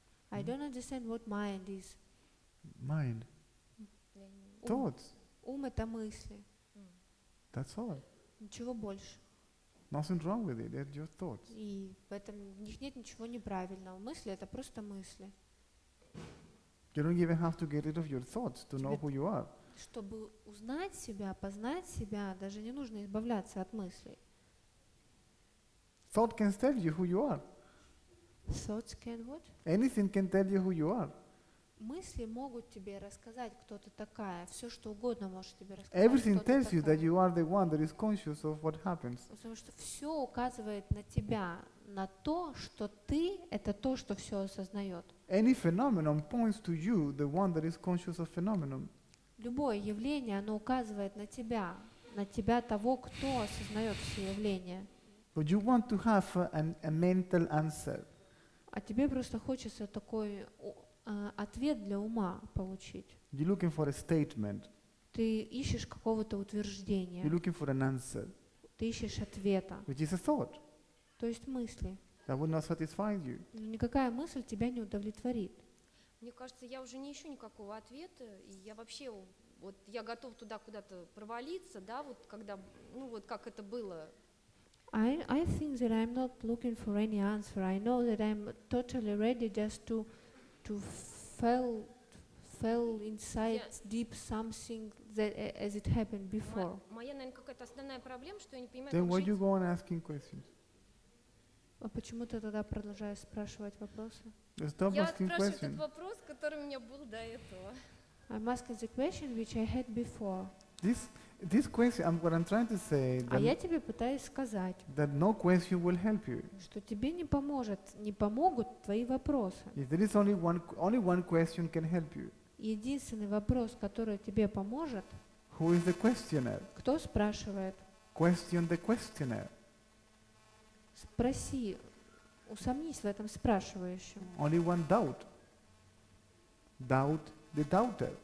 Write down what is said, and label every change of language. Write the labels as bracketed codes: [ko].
[en] I don't understand what mind is. Mind. Thoughts. [ru] Ум — это мысли. [en] That's all. [ru] Ничего больше. [en] Nothing wrong with it. They're just thoughts. [ru] И в этом в них нет ничего неправильного. Мысли — это просто мысли. [en] You don't even have to get rid of your thoughts to know who you are. [ru] Чтобы узнать себя, познать себя, даже не нужно избавляться от мыслей. [en] Thought can tell you who you are. Thoughts can what? Anything can tell you who you are. [ru] Мысли могут тебе рассказать, кто ты такая. Все, что угодно, может тебе рассказать. [en] Everything tells you that you are the one that is conscious of what happens. [ru] Потому что все указывает на тебя, на то, что ты — это то, что все осознает. [en] Any phenomenon points to you, the one that is conscious of phenomenon. [ru] Любое явление, оно указывает на тебя того, кто осознает все явления. [en] But you want to have a mental answer. [ru] а тебе просто хочется такой ответ для ума получить. [en] You're looking for a statement. [ru] Ты ищешь какого-то утверждения. [en] You're looking for an answer. [ru] Ты ищешь ответа. [en] Which is a thought. [ru] То есть мысли. [en] That would not satisfy you. [ru] Но никакая мысль тебя не удовлетворит. Мне кажется, я уже не ищу никакого ответа, и я вообще вот я готов туда куда-то провалиться, да, вот когда, ну вот как это было. [en] I think that I'm not looking for any answer. I know that I'm totally ready just to fell inside deep something that as it happened before. [ru] Моя, наверное, какая-то основная проблема, что я не понимаю. [en] Then why you go on asking questions? [ru] А почему ты тогда продолжаешь спрашивать вопросы? [en] Stop asking questions. [ru] Я спрашиваю этот вопрос, который у меня был до этого. [en] I'm asking the question which I had before. This question, what I'm trying to say, [ru] а я тебе пытаюсь сказать, [en] that no question will help you. [ru] Что тебе не поможет, не помогут твои вопросы. [en] If there is only one question can help you. [ru] Единственный вопрос, который тебе поможет. [en] Who is the questioner? [ru] Кто спрашивает? [en] Question the questioner. [ru] Спроси, усомнись в этом спрашивающем. [en] Only one doubt. Doubt. The doubter.